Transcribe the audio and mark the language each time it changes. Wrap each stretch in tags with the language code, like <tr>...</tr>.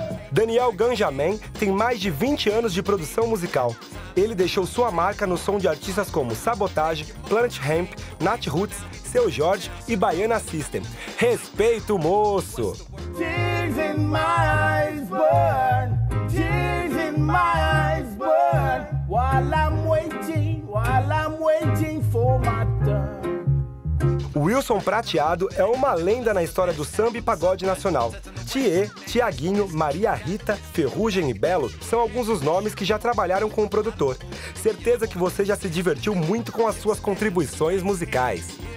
<pt>Daniel Ganjaman tem mais de 20 anos de produção musical. Ele deixou sua marca no som de artistas como Sabotage, Planet Hemp, Nat Roots, Seu Jorge e Baiana System. Respeito, moço!</pt> <en>Tears in my eyes burn, tears in my eyes burn, while I'm waiting for my turn.</en> <pt>Wilson Prateado é uma lenda na história do samba e pagode nacional. Tiê, Tiaguinho, Maria Rita, Ferrugem e Belo são alguns dos nomes que já trabalharam com o produtor. Certeza que você já se divertiu muito com as suas contribuições musicais.</pt>